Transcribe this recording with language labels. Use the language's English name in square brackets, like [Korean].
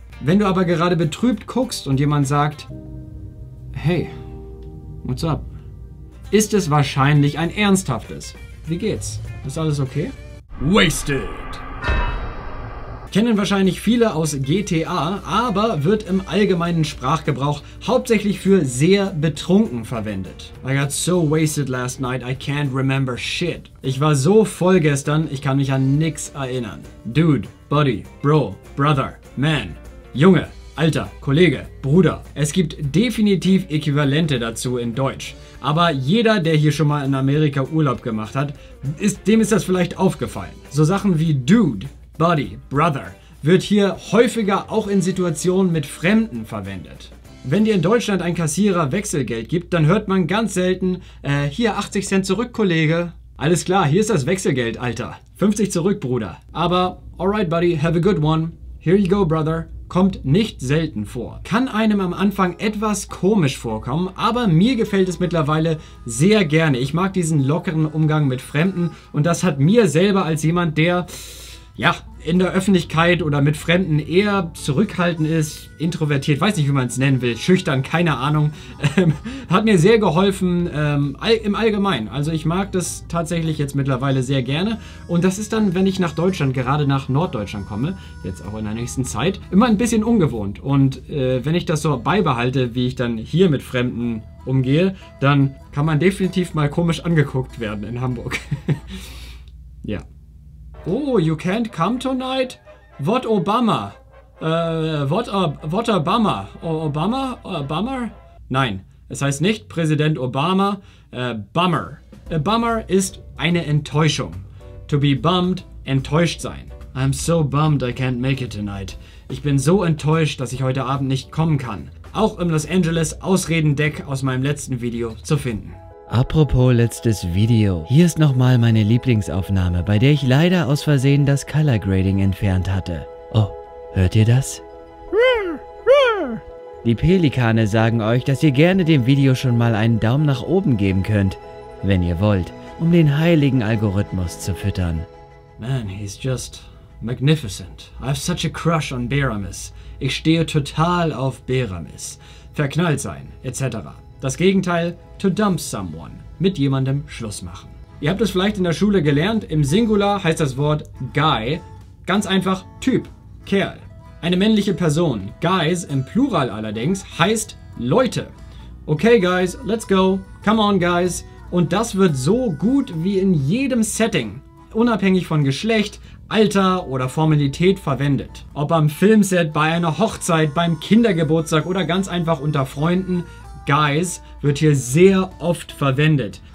[German] Wenn du aber gerade betrübt guckst und jemand sagt, [English] hey, what's up? [German] Ist es wahrscheinlich ein ernsthaftes. Wie geht's? Ist alles okay? [English] Wasted! [German] Kennen wahrscheinlich viele aus GTA, aber wird im allgemeinen Sprachgebrauch hauptsächlich für sehr betrunken verwendet. [English] I got so wasted last night, I can't remember shit. [German] Ich war so voll gestern, ich kann mich an nix erinnern. [English] Dude, Buddy, Bro, Brother, Man, [German] Junge, Alter, Kollege, Bruder. Es gibt definitiv Äquivalente dazu in Deutsch. Aber jeder, der hier schon mal in Amerika Urlaub gemacht hat, dem ist das vielleicht aufgefallen. So Sachen wie Dude, Buddy, Brother wird hier häufiger auch in Situationen mit Fremden verwendet. Wenn dir in Deutschland ein Kassierer Wechselgeld gibt, dann hört man ganz selten, hier 80 Cent zurück, Kollege. Alles klar, hier ist das Wechselgeld, Alter. 50 zurück, Bruder. [English] Aber alright, Buddy, have a good one. Here you go, Brother. [German] Kommt nicht selten vor. Kann einem am Anfang etwas komisch vorkommen, aber mir gefällt es mittlerweile sehr gerne. Ich mag diesen lockeren Umgang mit Fremden und das hat mir selber als jemand, der, ja, in der Öffentlichkeit oder mit Fremden eher zurückhaltend ist, introvertiert, weiß nicht, wie man es nennen will, schüchtern, keine Ahnung, hat mir sehr geholfen im Allgemeinen. Also ich mag das tatsächlich jetzt mittlerweile sehr gerne. Und das ist dann, wenn ich nach Deutschland, gerade nach Norddeutschland komme, jetzt auch in der nächsten Zeit, immer ein bisschen ungewohnt. Und wenn ich das so beibehalte, wie ich dann hier mit Fremden umgehe, dann kann man definitiv mal komisch angeguckt werden in Hamburg. Ja. [English] Oh, you can't come tonight? What Obama? What a bummer? Obama? Bummer? [German] Nein, es heißt nicht Präsident Obama. Bummer. A bummer ist eine Enttäuschung. [English] To be bummed, [German] enttäuscht sein. [English] I'm so bummed I can't make it tonight. [German] Ich bin so enttäuscht, dass ich heute Abend nicht kommen kann. Auch im Los Angeles Ausredendeck aus meinem letzten Video zu finden. Apropos letztes Video. Hier ist nochmal meine Lieblingsaufnahme, bei der ich leider aus Versehen das Color Grading entfernt hatte. Oh, hört ihr das? Die Pelikane sagen euch, dass ihr gerne dem Video schon mal einen Daumen nach oben geben könnt, wenn ihr wollt, um den heiligen Algorithmus zu füttern. [English] Man, he's just magnificent. I have such a crush on Beramis. [German] Ich stehe total auf Beramis. Verknallt sein, etc. Das Gegenteil, [English] to dump someone, [German] mit jemandem Schluss machen. Ihr habt es vielleicht in der Schule gelernt, im Singular heißt das Wort guy, ganz einfach Typ, Kerl. Eine männliche Person, guys im Plural allerdings, heißt Leute. [English] Okay guys, let's go, come on guys. [German] Und das wird so gut wie in jedem Setting, unabhängig von Geschlecht, Alter oder Formalität verwendet. Ob am Filmset, bei einer Hochzeit, beim Kindergeburtstag oder ganz einfach unter Freunden, guys wird hier sehr oft verwendet.